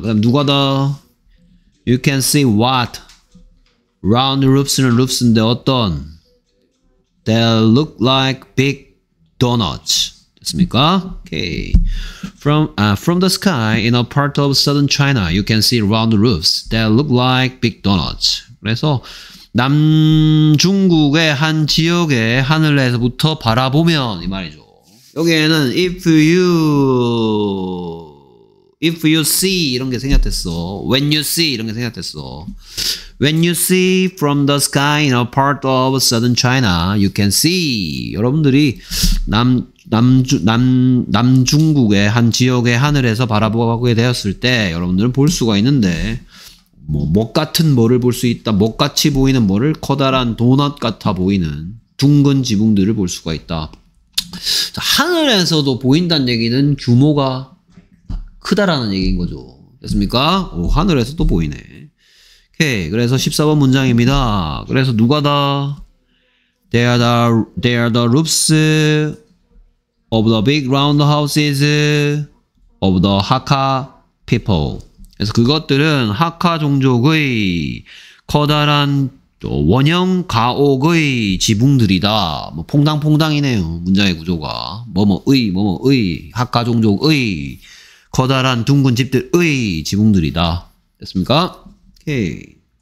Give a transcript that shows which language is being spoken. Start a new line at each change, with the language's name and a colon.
Korean: 그럼 누가 더?
English: You can see what round roofs는 roofs인데 어떤? They look like big donuts.
Korean: 됐습니까?
English: Okay. From the sky in a part of southern China, you can see round roofs that look like big donuts.
Korean: 그래서 남중국의 한 지역의 하늘에서부터 바라보면 이 말이죠. 여기에는 if you see 이런 게 생략됐어.
English: When you see
Korean: 이런 게 생략됐어.
English: When you see from the sky in a part of southern China, you can see
Korean: 여러분들이 남중국의 한 지역의 하늘에서 바라보게 되었을 때 여러분들은 볼 수가 있는데 뭐 못 같은 뭐를 볼 수 있다. 못 같이 보이는 뭐를 커다란 도넛 같아 보이는 둥근 지붕들을 볼 수가 있다. 자, 하늘에서도 보인다는 얘기는 규모가 크다라는 얘기인 거죠. 됐습니까? 오, 하늘에서도 보이네. 오케이. 그래서 14번 문장입니다. 그래서 누가 다?
English: They are the roofs of the big round houses of the Hakka people.
Korean: 그래서 그것들은 하카 종족의 커다란 원형 가옥의 지붕들이다. 뭐 퐁당퐁당이네요. 문장의 구조가. 뭐뭐의 뭐뭐의 하카 종족의 커다란 둥근 집들의 지붕들이다. 됐습니까? 오케이.